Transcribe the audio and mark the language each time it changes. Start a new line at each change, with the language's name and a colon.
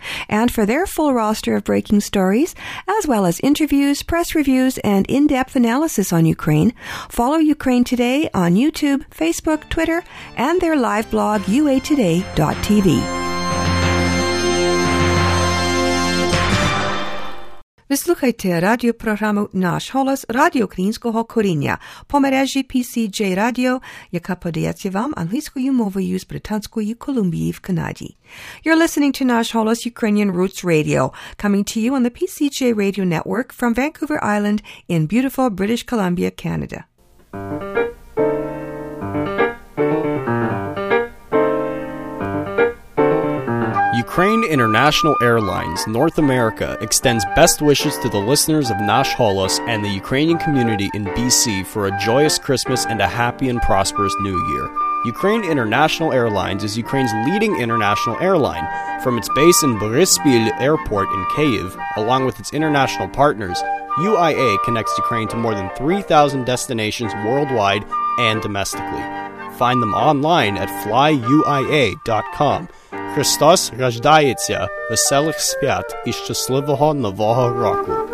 English: And for their full roster of breaking stories, as well as interviews, press reviews, and in-depth analysis on Ukraine, follow Ukraine Today on YouTube, Facebook, Twitter, and their live blog, uatoday.tv.
Ukrainian: Ви слухайте радіопрограму «Наш голос» Радіо Українського коріння по мережі PCJ Radio, яка подається вам англійською мовою з Британської Колумбії в Канаді.
English: You're listening to «Наш голос» Ukrainian Roots Radio, coming to you on the PCJ Radio Network from Vancouver Island in beautiful British Columbia, Canada. Ukraine International Airlines North America extends best wishes to the listeners of Nash Holos and the Ukrainian community in BC for a joyous Christmas and a happy and prosperous New Year. Ukraine International Airlines is Ukraine's leading international airline. From its base in Borispil Airport in Kyiv, along with its international partners, UIA connects Ukraine to more than 3,000 destinations worldwide and domestically. find them online at flyuia.com.
Ukrainian: Христос рождається, веселих свят і щасливого нового року.